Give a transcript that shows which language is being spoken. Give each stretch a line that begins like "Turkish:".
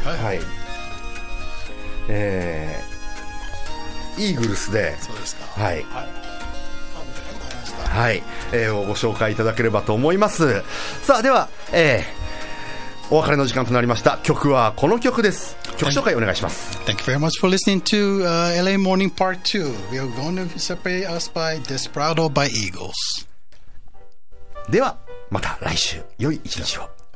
Japanese: はい、はい、イーグルスで、そうですか、はい、はい、ご紹介いただければと思います。さあでは、お別れの時間となりました。曲はこの曲です。曲紹介お願いします。
English: Thank you very much for listening to、LA Morning Part 2. We are going to separate us by Desperado by Eagles.
Japanese: ではまた来週、良い一日を。